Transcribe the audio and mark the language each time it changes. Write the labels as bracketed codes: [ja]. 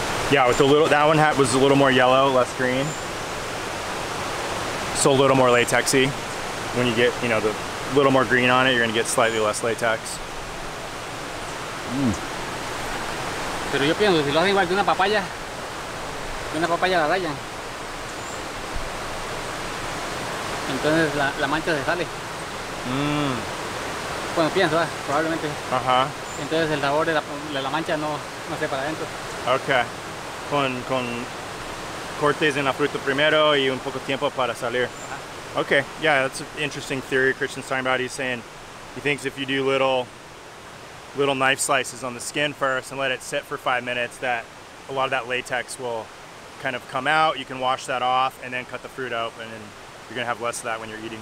[en] Yeah, with a little, that one was a little more yellow, less green. So a little more latexy. When you get, you know, the little more green on it, you're gonna get slightly less latex. [es] Pero yo pienso, si lo hacen igual que una papaya la rayan. Entonces la mancha se sale. Bueno, pienso, probablemente. Ajá. Entonces el sabor de la mancha no se para adentro. Okay. Con cortes en la fruta primero y un poco tiempo para salir. [en] Okay, yeah, that's an interesting theory Christian's talking about. He's saying he thinks if you do little knife slices on the skin first and let it sit for 5 minutes, that a lot of that latex will kind of come out. You can wash that off and then cut the fruit out, and then you're going to have less of that when you're eating it.